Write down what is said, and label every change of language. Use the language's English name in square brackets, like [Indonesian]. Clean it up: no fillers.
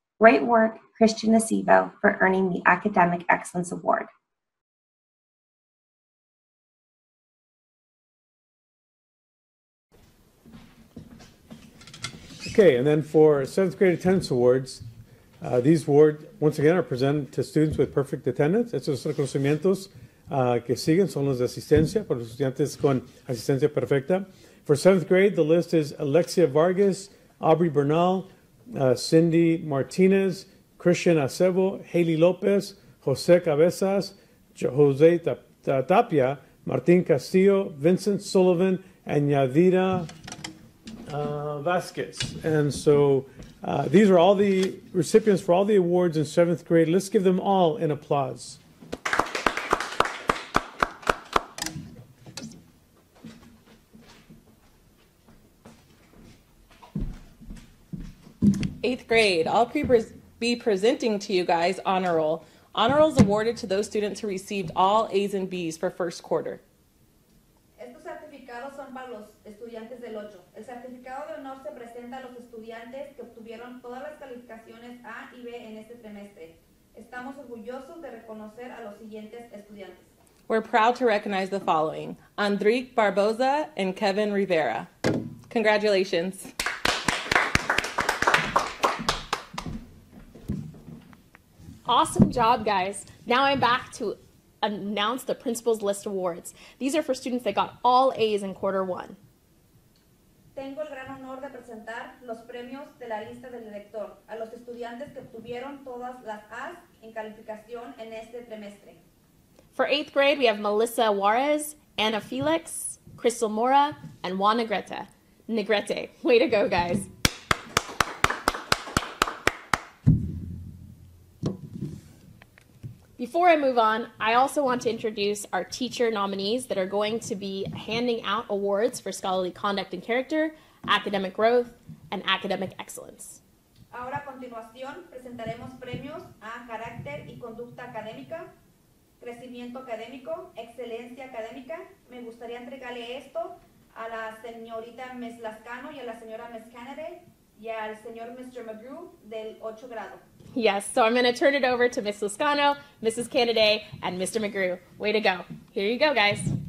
[English] Great work, Christian Acevo, for earning the Academic Excellence Award. Okay, and then for 7th grade attendance awards, these awards, once again, are presented to students with perfect attendance. [Spanish] Estos reconocimientos que siguen son los de asistencia para los estudiantes con asistencia perfecta. [English] For 7th grade, the list is Alexia Vargas, Aubrey Bernal, Cindy Martinez, Christian Acevo, Haley Lopez, Jose Cabezas, Jose Tapia, Martin Castillo, Vincent Sullivan, and Yadira Vasquez. And so these are all the recipients for all the awards in 7th grade. Let's give them all an applause. Eighth grade, I'll be presenting to you guys Honor Roll. Honor Roll is awarded to those students who received all A's and B's for first quarter. [Spanish] Estos certificados son para los estudiantes del 8. El certificado de honor se presenta a los estudiantes que obtuvieron todas las calificaciones A y B en este trimestre. Estamos orgullosos de reconocer a los siguientes estudiantes. [English] We're proud to recognize the following: Andrique Barboza and Kevin Rivera. Congratulations. Awesome job, guys. Now I'm back to announce the principal's list awards. These are for students that got all A's in quarter one. [Spanish] Tengo el gran honor de presentar los premios de la lista del director a los estudiantes que obtuvieron todas las A's en calificación en este trimestre. [English] For eighth grade, we have Melissa Juarez, Anna Felix, Crystal Mora, and Juan Negrete. Negrete, way to go, guys. Before I move on, I also want to introduce our teacher nominees that are going to be handing out awards for scholarly conduct and character, academic growth, and academic excellence. [Spanish] Ahora a continuación presentaremos premios a carácter y conducta académica, crecimiento académico, excelencia académica. Me gustaría entregarle esto a la señorita Ms. Lascano y a la señora Ms. Kennedy y al señor Mr. McGrew del 8 grado. [English] Yes, so I'm going to turn it over to Ms. Lascano, Mrs. Kennedy, and Mr. McGrew. Way to go. Here you go, guys.